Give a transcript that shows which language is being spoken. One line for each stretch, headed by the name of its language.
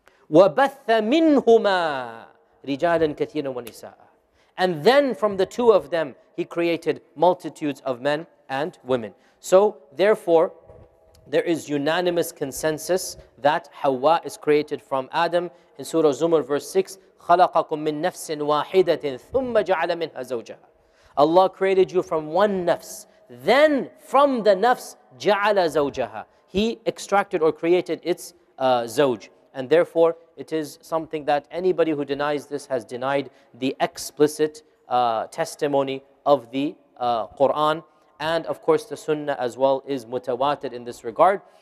Arabic: وَبَثَّ مِنْهُمَا رِجَالًا كَثِيرًا وَنِسَاءً.
English: And then from the two of them, he created multitudes of men and women. So therefore, there is unanimous consensus that Hawa is created from Adam. In Surah Zumar verse 6,
Arabic: خَلَقَكُم مِّن نَفْسٍ وَاحِدَةٍ ثُمَّ جَعَلَ مِنْهَا زَوْجَهَا.
English: Allah created you from one nafs. Then from the nafs,
Arabic: جَعَلَ زَوْجَهَا.
English: He extracted or created its zawj. And therefore, it is something that anybody who denies this has denied the explicit testimony of the Quran. And of course, the Sunnah as well is mutawatir in this regard,